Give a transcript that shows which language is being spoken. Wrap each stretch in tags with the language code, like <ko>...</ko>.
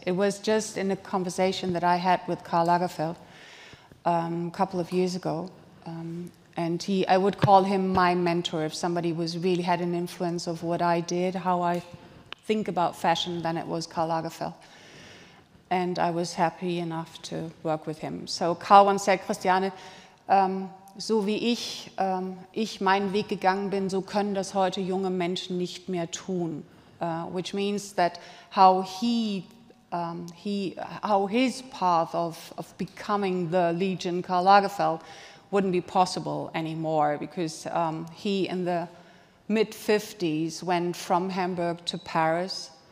<en>It was just in a conversation that I had with Karl Lagerfeld a couple of years ago, and I would call him my mentor. If somebody was really had an influence of what I did, how I think about fashion, then it was Karl Lagerfeld. And I was happy enough to work with him. So Karl once said,</en> <de>Christiane, so wie ich meinen Weg gegangen bin, so können das heute junge Menschen nicht mehr tun.</de> <en>Which means that how his path of becoming the Legion Karl Lagerfeld wouldn't be possible anymore, because he in the mid-50s went from Hamburg to Paris.</en>